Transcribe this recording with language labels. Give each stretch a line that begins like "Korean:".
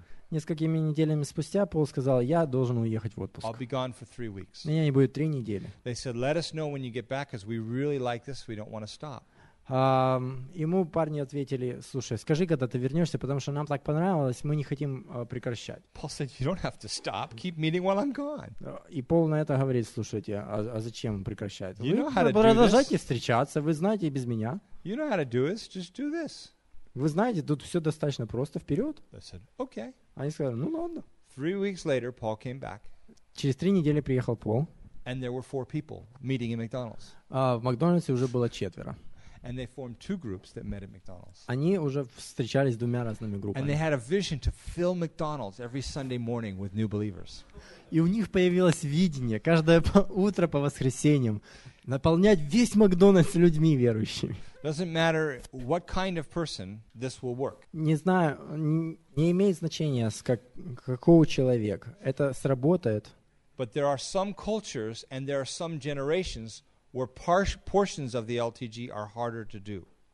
Russian: Несколькими неделями спустя Пол сказал, я должен уехать в отпуск.
English: I'll be gone for 3 weeks.
Russian: Меня не будет 3 недели.
English: They said, let us know when you get back, because we really like this, we don't want to stop.
Russian: Ему парни ответили, слушай, скажи, когда ты вернешься, потому что нам так понравилось, мы не хотим прекращать.
English: Paul said, you don't have to stop. Keep meeting while I'm gone.
Russian: И Пол на это говорит, слушайте, а зачем прекращать?
English: You
Russian: вы
English: know how to
Russian: продолжайте
English: do this.
Russian: Встречаться, вы знаете и без меня.
English: You know how to do this. Just do this.
Russian: Вы знаете, тут все достаточно просто, вперед.
English: They said, okay.
Russian: Они сказали, ну ладно.
English: 3 weeks later, Paul came back.
Russian: Через 3 недели приехал Пол.
English: And there were 4 people meeting in McDonald's.
Russian: В Макдональдсе уже было 4.
English: And they formed 2 groups that met at McDonald's.
Russian: Они уже встречались с 2 разными группами.
English: And they had a vision to fill McDonald's every Sunday morning with new believers.
Russian: И у них появилось видение каждое утро по воскресеньям наполнять весь Макдональдс людьми верующими.
English: Doesn't matter what kind of person this will work.
Russian: Не знаю, не имеет значения, какого человека это сработает.
English: But there are some cultures and there are some generations where portions of the LTG are harder to do.